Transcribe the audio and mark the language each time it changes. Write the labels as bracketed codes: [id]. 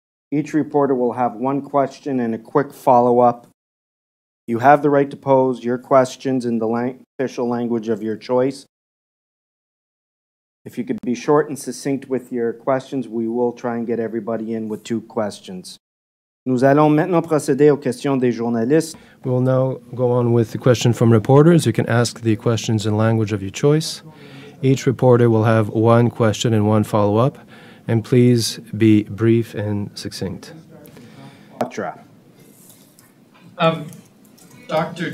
[en] Each reporter will have one question and a quick follow-up. You have the right to pose your questions in the official language of your choice. If you could be short and succinct with your questions, we will try and get everybody in with two questions. [fr] Nous allons maintenant procéder aux questions des journalistes. [en] We will now go on with the question from reporters. You can ask the questions in language of your choice. Each reporter will have one question and one follow-up. And please be brief and succinct. Dr.